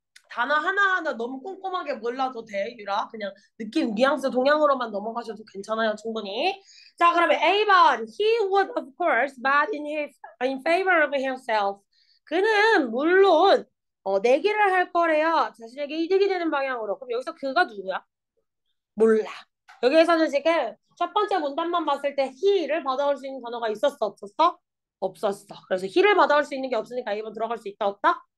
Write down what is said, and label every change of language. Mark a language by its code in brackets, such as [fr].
[ko] 단어 하나하나 너무 꼼꼼하게 몰라도 돼, 유라. 그냥 느낌, 뉘앙스, 동양으로만 넘어가셔도 괜찮아요, 충분히. 자, 그러면 A번. [en] He would of course bat in favor of himself. [ko] 그는 물론 내기를 할 거래요. 자신에게 이득이 되는 방향으로. 그럼 여기서 그가 누구야? 몰라. 여기에서는 지금 첫 번째 문단만 봤을 때 he를 받아올 수 있는 단어가 있었어, 없었어? 없었어. 그래서 he를 받아올 수 있는 게 없으니까 A번 들어갈 수 있다, 없다?